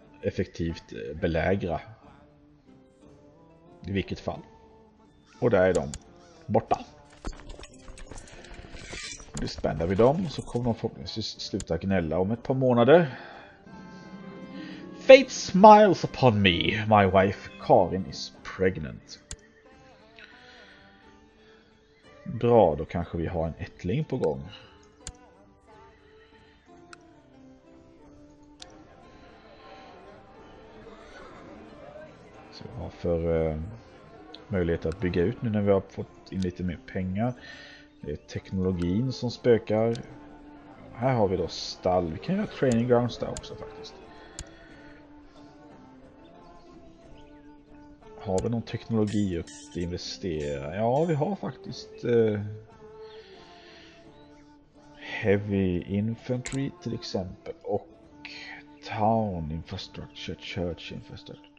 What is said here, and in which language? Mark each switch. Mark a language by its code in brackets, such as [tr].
[sv] effektivt belägra. I vilket fall. Och där är de. Borta. Nu spänner vi dem. Så kommer de förhoppningsvis sluta gnälla om ett par månader. [en] Fate smiles upon me. My wife Karin is pregnant. [sv] Bra, då kanske vi har en ättling på gång. Så vi har för möjlighet att bygga ut nu när vi har fått in lite mer pengar. Det är teknologin som spökar. Här har vi då stall. Vi kan göra training grounds där också faktiskt. Har vi någon teknologi att investera? Ja, vi har faktiskt heavy infantry till exempel. Och town infrastructure, church infrastructure.